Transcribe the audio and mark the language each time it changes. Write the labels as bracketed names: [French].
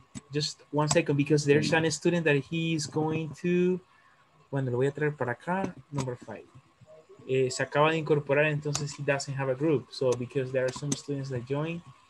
[English] Just one second, because there's a student that he is going to... [Spanish] Bueno, lo voy a traer para acá, [English] number five. [Spanish] Se acaba de incorporar, entonces [English] he doesn't have a group. So, because there are some students that join.